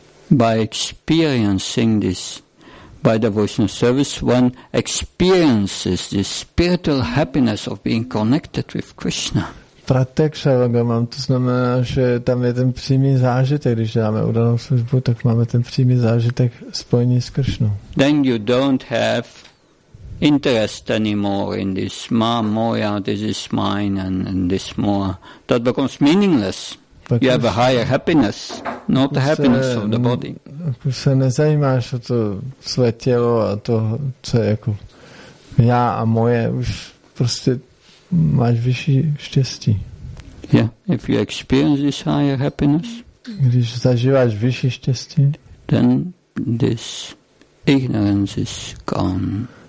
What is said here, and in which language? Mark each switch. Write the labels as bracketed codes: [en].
[en] By experiencing this, by devotional service, one experiences the spiritual happiness of being connected with Krishna. [cs] Prateksha vagamam, to znamená, že tam je ten přímý zážitek, když dáme udanou službu, tak máme ten přímý zážitek spojení s Krishnou. [en] Then you don't have interest anymore in this ma moya, this is mine and this more. That becomes meaningless. You have a higher happiness, not the happiness of the body. [cs] Už se nezajímáš o to své tělo a to, co je jako já a moje, už prostě máš vyšší štěstí. [en] Yeah, if you experience this higher happiness, [cs] když zažíváš vyšší štěstí, [en] then this ignorance is gone.